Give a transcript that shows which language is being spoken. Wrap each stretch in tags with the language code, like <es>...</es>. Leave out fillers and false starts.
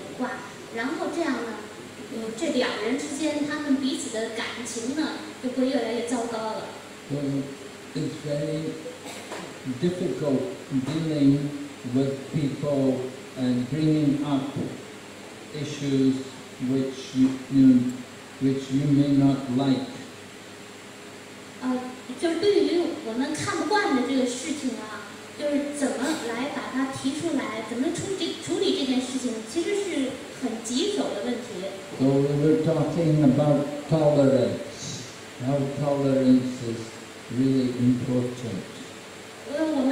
<zh>对方呢，他们就会满腹牢骚。哎呀，这个人他对我就说了这种话，然后这样呢。这两人之间，他们彼此的感情呢，就会越来越糟糕了。</zh> <en>So it's very difficult dealing with people and bringing up issues which you may not like.</en> <zh>就是对于我们看不惯的这个事情啊，就是怎么来把它提出来，怎么处理这件事情，其实是很棘手的问题。</zh> <en>So we were talking about tolerance, how tolerance is really important.</en>